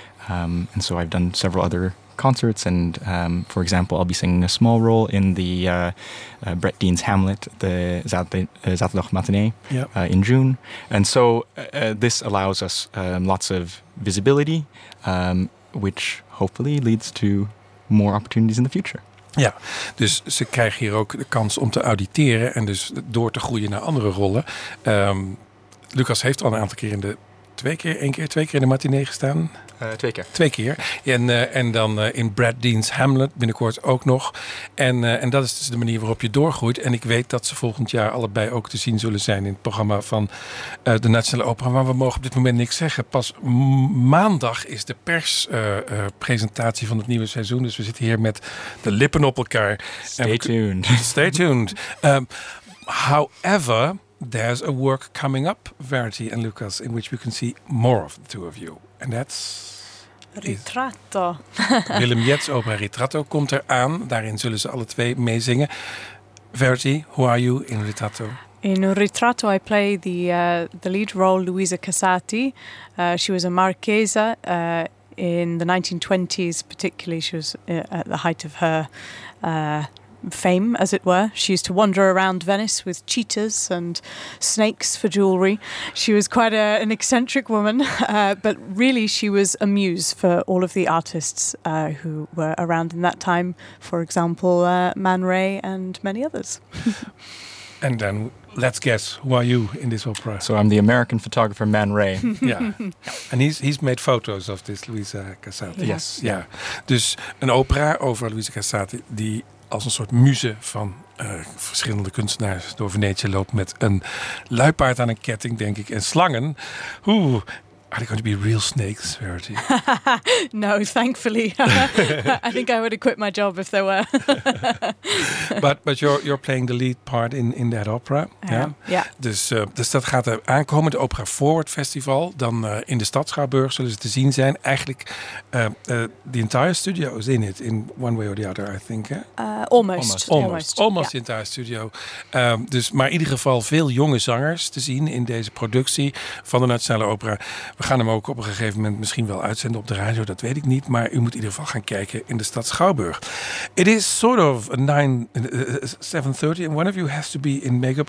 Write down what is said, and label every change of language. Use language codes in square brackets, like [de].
[en] And so I've done several other concerts and, for example, I'll be singing a small role in the Brett Dean's Hamlet, the Zaltloch Matinee, in June. And so this allows us lots of visibility, which hopefully leads to more opportunities in the future. [nl] Ja, dus ze krijgen hier ook de kans om te auditeren en dus door te groeien naar andere rollen. Lucas heeft al een aantal keer in de twee keer in de matinee gestaan? Twee keer. En dan in Brad Dean's Hamlet binnenkort ook nog. En dat is dus de manier waarop je doorgroeit. En ik weet dat ze volgend jaar allebei ook te zien zullen zijn in het programma van de Nationale Opera. Maar we mogen op dit moment niks zeggen. Pas maandag is de perspresentatie van het nieuwe seizoen. Dus we zitten hier met de lippen op elkaar. [en] Stay tuned. However, there's a work coming up, Verity and Lucas, in which we can see more of the two of you. And that's... Ritratto. [nl] Willem Jets' opera Ritratto komt eraan. Daarin zullen ze alle twee meezingen. [en] Verity, who are you in Ritratto? In Ritratto, I play the lead role, Luisa Casati. She was a marchesa in the 1920s, particularly. She was at the height of her... fame, as it were. She used to wander around Venice with cheetahs and snakes for jewelry. She was quite an eccentric woman, but really she was a muse for all of the artists who were around in that time. For example, Man Ray and many others. And then let's guess, who are you in this opera? So I'm the American photographer Man Ray. Yeah. And he's made photos of this Luisa Casati. Yes. Yeah. [nl] Dus een opera over Luisa Casati die als een soort muze van verschillende kunstenaars door Venetië loopt met een luipaard aan een ketting, denk ik, en slangen. [en] Oeh, are they going to be real snakes, Verity? No, thankfully. I think I would have quit my job if there were. but you're playing the lead part in that opera. Yeah. [nl] Dus dat gaat er aankomen, de Opera Forward Festival. Dan in de Stad Schouwburg zullen ze te zien zijn. [en] Eigenlijk, the entire studio is in it, in one way or the other, I think. Almost. The entire studio. [nl] Maar in ieder geval veel jonge zangers te zien in deze productie van de Nationale Opera. We gaan hem ook op een gegeven moment misschien wel uitzenden op de radio, dat weet ik niet. Maar u moet in ieder geval gaan kijken in de Stad Schouwburg. [en] It is sort of 7:30 and one of you has to be in makeup.